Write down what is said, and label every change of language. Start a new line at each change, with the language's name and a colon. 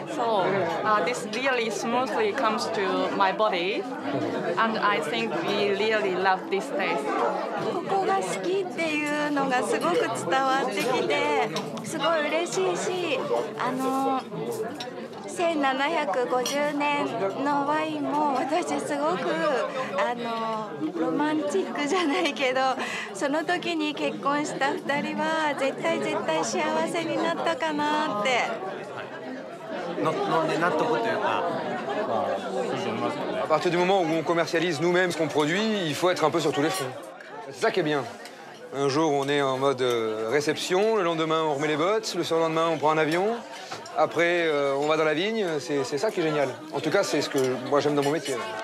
English: So this really smoothly comes to my body, and I think we really love this taste.
Japanese: ここが好きっていうのがすごく伝わってきて、すごい嬉しいし、1750年のワインも私すごくロマンチックじゃないけどその時に結婚した2人は絶対絶対幸せになったかなって、はい、飲んで納得というか。
French: À partir du moment où on commercialise nous-mêmes ce qu'on produit, il faut être un peu sur tous les fronts. C'est ça qui est bien. Un jour, on est en mode réception. Le lendemain, on remet les bottes. Le surlendemain, on prend un avion. Après, on va dans la vigne. C'est ça qui est génial. En tout cas, c'est ce que moi, j'aime dans mon métier.